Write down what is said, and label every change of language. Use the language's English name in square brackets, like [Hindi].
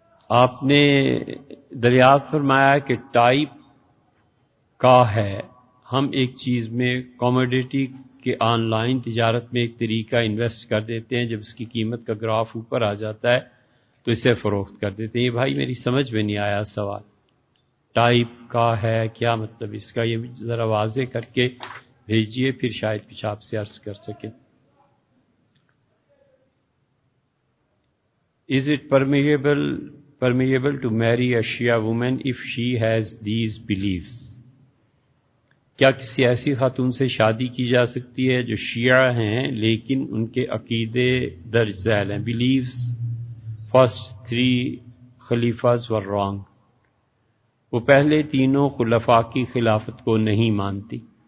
[Urdu] آپ نے دریافت فرمایا کہ ٹائپ کا ہے، ہم ایک چیز میں کموڈیٹی کے آن لائن تجارت میں ایک طریقہ انویسٹ کر دیتے ہیں، جب اس کی قیمت کا گراف اوپر آ جاتا ہے تو اسے فروخت کر دیتے ہیں. بھائی میری سمجھ میں نہیں آیا سوال، ٹائپ کا ہے کیا مطلب اس کا، یہ ذرا واضح کر کے بھیجئے، پھر شاید پیشاب سے عرض کر سکیں. [English] Is it permeable permeable to marry a Shia woman if she has these beliefs. [Urdu] کیا کسی ایسی خاتون سے شادی کی جا سکتی ہے جو شیعہ ہیں لیکن ان کے عقیدے درج ذیل ہیں؟ [English] believes first three خلیفاز were wrong, [Urdu] وہ پہلے تینوں خلفاء کی خلافت کو نہیں مانتی.